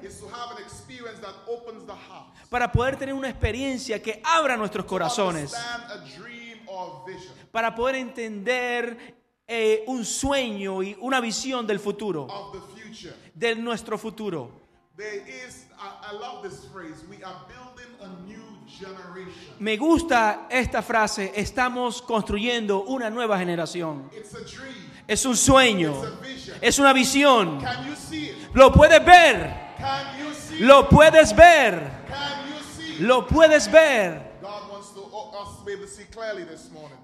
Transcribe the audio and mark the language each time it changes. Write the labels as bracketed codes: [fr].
[en] is to have an experience that opens the heart, [es] para poder tener una experiencia que abra nuestros corazones [en] to understand a dream or vision, [es] para poder entender un sueño y una visión del futuro [en] of the future. [es] De nuestro futuro. [en] There is, I love this phrase, we are building a new generation. [es] Me gusta esta frase, estamos construyendo una nueva generación. [en] It's a dream. [es] Es un sueño. [en] It's a vision. [es] Es una visión. [en] Can you see it? [es] Lo puedes ver. [en] Can you see [es] lo puedes ver. [en] Can you see [es] lo puedes ver. [en] God wants to us to be able to see clearly this morning.